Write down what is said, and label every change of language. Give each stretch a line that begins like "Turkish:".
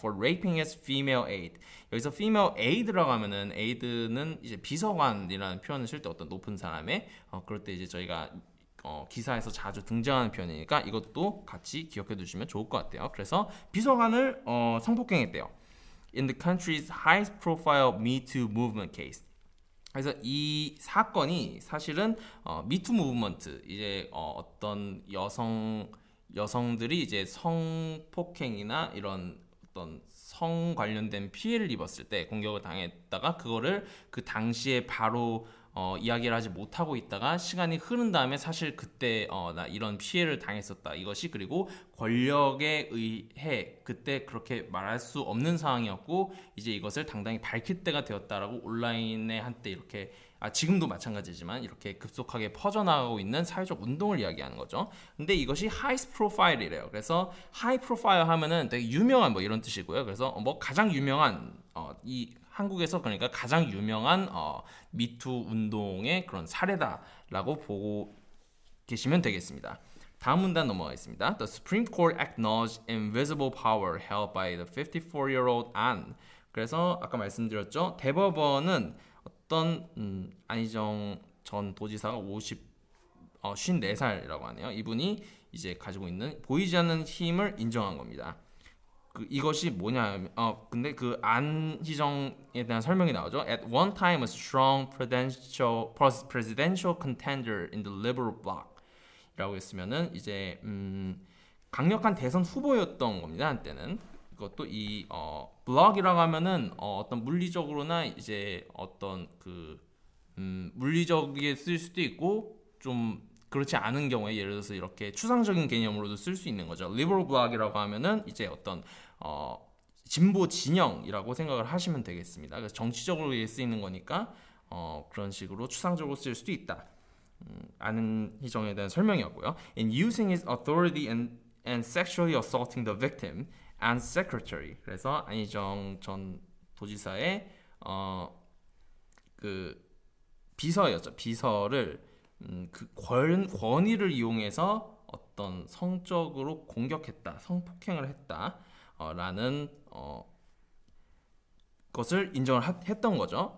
English: For raping his female aide.
Korean: 여기서 female aide라고 하면은 aide는 이제 비서관이라는 표현을 쓸 때 어떤 높은 사람의 그럴 때 이제 저희가 기사에서 자주 등장하는 표현이니까 이것도 같이 기억해 두시면 좋을 것 같아요. 그래서 비서관을 성폭행했대요.
English: In the country's highest profile Me Too movement case.
Korean: 그래서 이 사건이 사실은 미투 무브먼트 이제 어떤 여성들이 이제 성폭행이나 이런 어떤 성 관련된 피해를 입었을 때 공격을 당했다가 그거를 그 당시에 바로 이야기를 하지 못하고 있다가 시간이 흐른 다음에 사실 그때 나 이런 피해를 당했었다 이것이 그리고 권력에 의해 그때 그렇게 말할 수 없는 상황이었고 이제 이것을 당당히 밝힐 때가 되었다라고 온라인에 한때 이렇게 지금도 마찬가지지만 이렇게 급속하게 퍼져나가고 있는 사회적 운동을 이야기하는 거죠. 근데 이것이 high profile이래요. 그래서 high profile 하면은 되게 유명한 뭐 이런 뜻이고요. 그래서 뭐 가장 유명한 이 한국에서 그러니까 가장 유명한 미투 운동의 그런 사례다라고 보고 계시면 되겠습니다. 다음 문단 넘어가겠습니다.
English: The Supreme Court acknowledged invisible power held by the 54-year-old An.
Korean: 그래서 아까 말씀드렸죠. 대법원은 어떤 안희정 전 도지사가 54살이라고 하네요. 이분이 이제 가지고 있는 보이지 않는 힘을 인정한 겁니다. 그 이것이 뭐냐면 근데 그 안희정에 대한 설명이 나오죠.
English: At one time a strong presidential contender in the liberal bloc
Korean: 라고 했으면은 이제 강력한 대선 후보였던 겁니다. 한때는 이것도 이 블록이라고 하면은 어떤 물리적으로나 이제 어떤 그 물리적에 쓸 수도 있고 좀 그렇지 않은 경우에 예를 들어서 이렇게 추상적인 개념으로도 쓸 수 있는 거죠. liberal bloc이라고 하면은 이제 어떤 진보 진영이라고 생각을 하시면 되겠습니다. 그래서 정치적으로 쓰이는 거니까 그런 식으로 추상적으로 쓸 수도 있다. 아는 희정에 대한 설명이었고요.
English: In using his authority and sexually assaulting the victim and secretary.
Korean: 그래서 안희정 전 도지사의 그 비서였죠. 비서를 그 권위를 이용해서 어떤 성적으로 공격했다, 성폭행을 했다 라는 것을 인정을 했던 거죠.